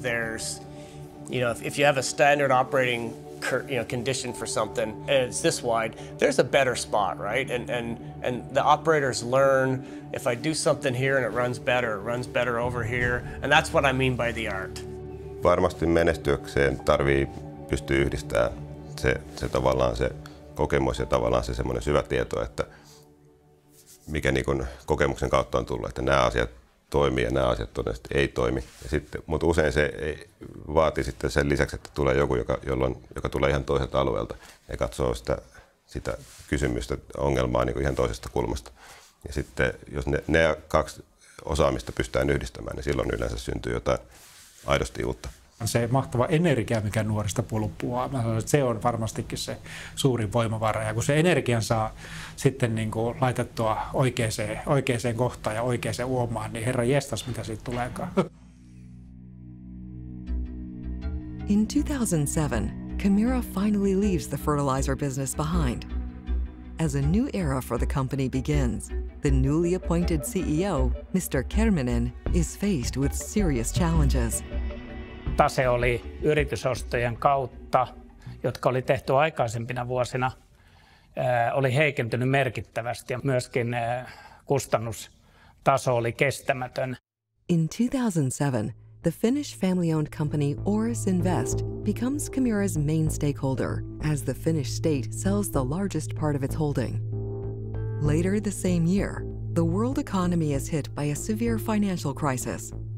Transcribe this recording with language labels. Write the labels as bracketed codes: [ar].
[en] There's, you know, if you have a standard operating condition for something and it's this wide, there's a better spot, right? And the operators learn, if I do something here and it runs better over here. And that's what I mean by the art. [fi] Varmasti menestykseen tarvii pystyä yhdistämään se tavallaan se kokemus ja tavallaan se semmoinen syvä tieto, että mikä niin kuin kokemuksen kautta on tullut, että nämä asiat toimii ja nämä asiat todennäköisesti ei toimi. Ja sitten, mutta usein se vaatii sitten sen lisäksi, että tulee joku, joka tulee ihan toiselta alueelta ja katsoo sitä kysymystä, ongelmaa niin kuin ihan toisesta kulmasta. Ja sitten jos ne kaksi osaamista pystytään yhdistämään, niin silloin yleensä syntyy jotain aidosti uutta. Se mahtava energia, mikä nuorista pulppuaa, mä sanoin, että se on varmastikin se suurin voimavara. Ja kun se energian saa sitten niin kuin laitettua oikeaan kohtaan ja oikeaan uomaan, niin herra jestas, mitä siitä tuleekaan. [en] In 2007, Kemira finally leaves the fertilizer business behind. As a new era for the company begins, the newly appointed CEO, Mr. Kerminen, is faced with serious challenges. [fi] Tase oli yritysostojen kautta, jotka oli tehty aikaisempina vuosina, oli heikentynyt merkittävästi ja myöskin kustannustaso oli kestämätön. [en] In 2007, the Finnish family-owned company Oris Invest becomes Kemira's main stakeholder as the Finnish state sells the largest part of its holding. Later the same year, the world economy is hit by a severe financial crisis.